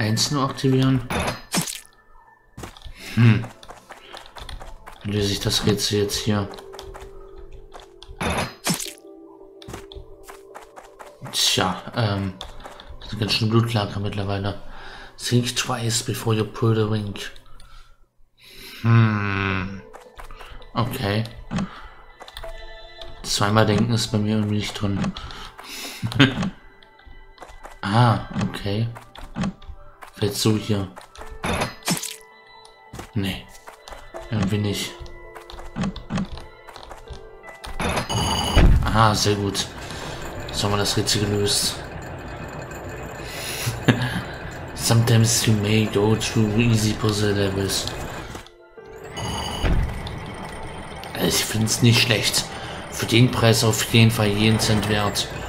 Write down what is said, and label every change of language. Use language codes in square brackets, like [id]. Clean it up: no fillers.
[de] Nur aktivieren. Löse ich das Rätsel jetzt hier? Tja, das ist ganz schön Blutlager mittlerweile. [en] Think twice before you pull the ring. Okay. [de] Zweimal denken ist bei mir irgendwie nicht drin. okay. Vielleicht so hier. Nee. Irgendwie nicht. Ah, sehr gut. Jetzt haben wir das Rätsel gelöst. [en] Sometimes you may go through easy puzzle levels. [de] Ich finde es nicht schlecht. Für den Preis auf jeden Fall jeden Cent wert.